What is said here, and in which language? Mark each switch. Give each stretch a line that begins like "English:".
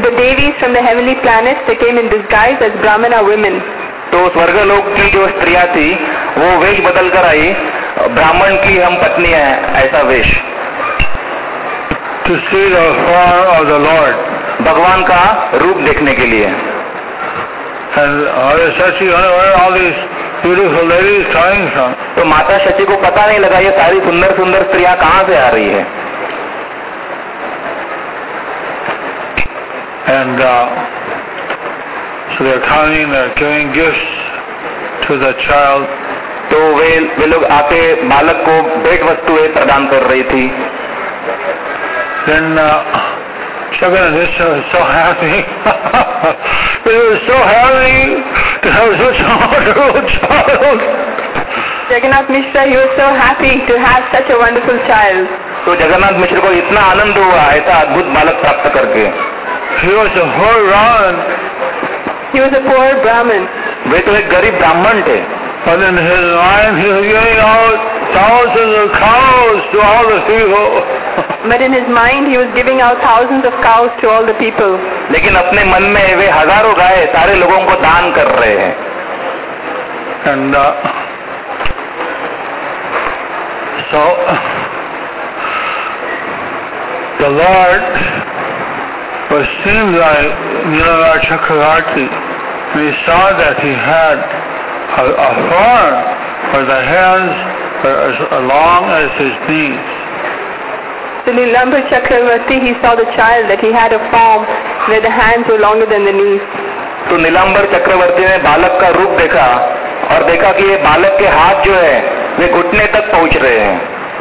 English: The deities from the heavenly planets, they came in disguise as Brahmana women.
Hindi: तो स्वर्गलोक की जो स्त्रियां थी वो वेश बदल कर आई ब्राह्मण की हम पत्नी है ऐसा वेश.
English: To see the form of the Lord.
Hindi: भगवान का रूप देखने के लिए.
English: And Shachi, where all these beautiful ladies coming from?
Hindi: तो माता शची को पता नहीं लगा ये सारी सुंदर सुंदर स्त्रियां कहाँ से आ रही है.
English: And so they're coming, they're giving gifts to the child.
Hindi: तो वे लोग आके बालक को भेंट वस्तुएं प्रदान कर रही थी.
English: Then Jagannath is so happy. He was so happy to have such a wonderful child. Jagannath Mishra, he was so happy to have such a wonderful child.
Hindi: तो जगन्नाथ मिश्र को इतना आनंद हुआ ऐसा अद्भुत बालक प्राप्त करके.
English: He was a poor Brahmin. He was a poor Brahmin.
Hindi: वे तो एक गरीब ब्राह्मण थे.
English: But in his mind, he was giving out thousands of cows to all the people. But in his mind, he was giving out thousands of cows to all the people.
Hindi: लेकिन अपने मन में वे हजारों गाय सारे लोगों को दान कर रहे हैं.
English: And so the Lord was seen by Nilaraj Chakravarti. We saw that he had a horn for the hands as long as his knees. So Nilaraj Chakravarti, he saw the child that he had a form where the hands were longer than the knees.
Hindi: तो नीलांबर चक्रवर्ती ने बालक का रूप देखा और देखा कि ये बालक के हाथ जो है वे घुटने तक पहुंच रहे हैं.